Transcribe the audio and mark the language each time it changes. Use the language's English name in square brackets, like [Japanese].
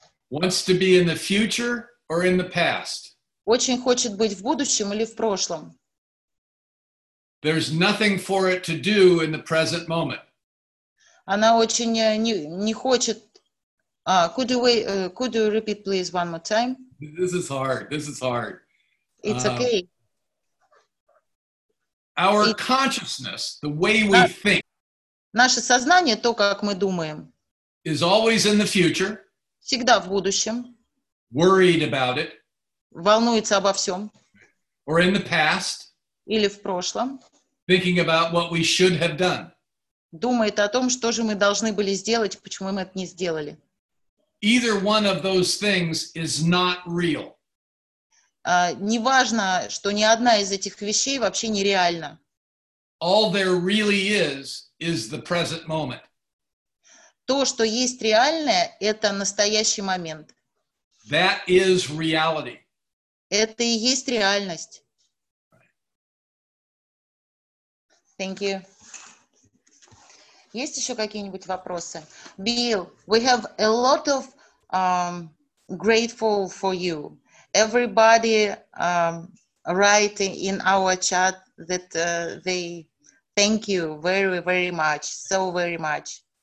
[English] Wants to be in the future or in the past. [Russian] Очень хочет быть в будущем или в прошлом. [English] There's nothing for it to do in the present moment. [Russian] Она очень не хочет. [English] Could you repeat, please, one more time? This is hard. It's okay. Our consciousness, the way we think. [Russian] Наше сознание, то, как мы думаем. [English] Is always in the future. [Russian] Всегда в будущем. [English] Worried about it. [Russian] Волнуется обо всем. [English] Or in the past. [Russian] Или в прошлом. [English] Thinking about what we should have done. [Russian] Думает о том, что же мы должны были сделать, почему мы это не сделали. [English] Either one of those things is not real. [Russian] Неважно, что ни одна из этих вещей вообще нереальна. [English] All there really is the present moment. [Russian] То, что есть реальное, это настоящий момент. [English] That is reality. [Russian] Это и есть реальность. [English] Thank you. [Russian] Есть еще какие-нибудь вопросы? [English] Bill, we have a lot of grateful for you. Everybody write in our chat that they thank you very, very much, so very much.